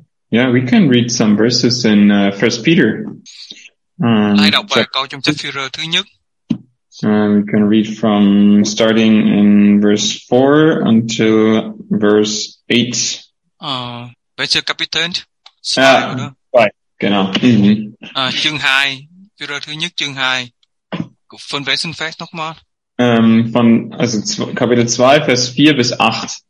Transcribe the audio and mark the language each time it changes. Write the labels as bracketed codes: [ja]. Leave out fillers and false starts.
[en] Yeah, we can read some verses in First Peter. [vi] Ai đọc bài câu trong sách Phi-rơ thứ nhất? [en] We can read from starting in verse 4 until verse 8. [de] Welche Kapitän? Genau. [vi] Chương 2, Phi-rơ thứ nhất chương 2. [de] Von wessen Vers nochmal? Von also Kapitel 2 Vers 4 bis 8.